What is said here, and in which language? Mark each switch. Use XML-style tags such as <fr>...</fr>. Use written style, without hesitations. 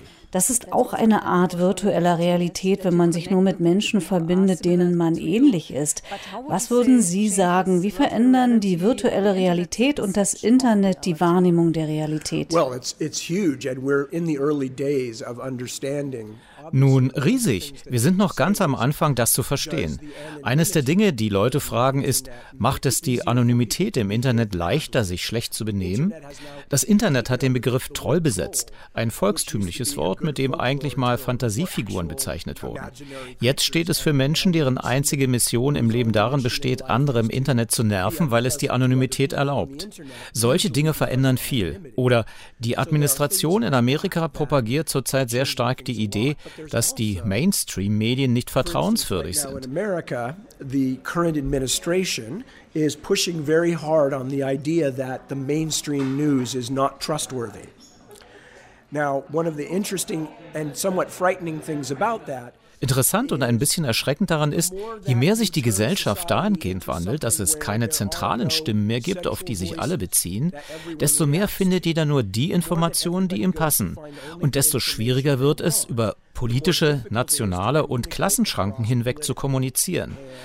<de>Das ist auch eine Art virtueller Realität, wenn man sich nur mit Menschen verbindet, denen man ähnlich ist. Was würden Sie sagen, wie verändern die virtuelle Realität und das Internet die Wahrnehmung der Realität?</de> <en>Well, it's huge and we're in the early days of understanding.</en> <de>Nun, riesig. Wir sind noch ganz am Anfang, das zu verstehen. Eines der Dinge, die Leute fragen, ist, macht es die Anonymität im Internet leichter, sich schlecht zu benehmen? Das Internet hat den Begriff Troll besetzt, ein volkstümliches Wort, mit dem eigentlich mal Fantasiefiguren bezeichnet wurden. Jetzt steht es für Menschen, deren einzige Mission im Leben darin besteht, andere im Internet zu nerven, weil es die Anonymität erlaubt. Solche Dinge verändern viel. Oder die Administration in Amerika propagiert zurzeit sehr stark die Idee, dass die Mainstream-Medien nicht vertrauenswürdig sind.</de> <en>The current administration is pushing very hard on the idea that the mainstream news is not trustworthy. Now, one of the interesting and somewhat frightening things about that.</en> <de>Interessant und ein bisschen erschreckend daran ist, je mehr sich die Gesellschaft dahingehend wandelt, dass es keine zentralen Stimmen mehr gibt, auf die sich alle beziehen, desto mehr findet jeder nur die Informationen, die ihm passen. Und desto schwieriger wird es, über politische, nationale und Klassenschranken hinweg zu kommunizieren.</de>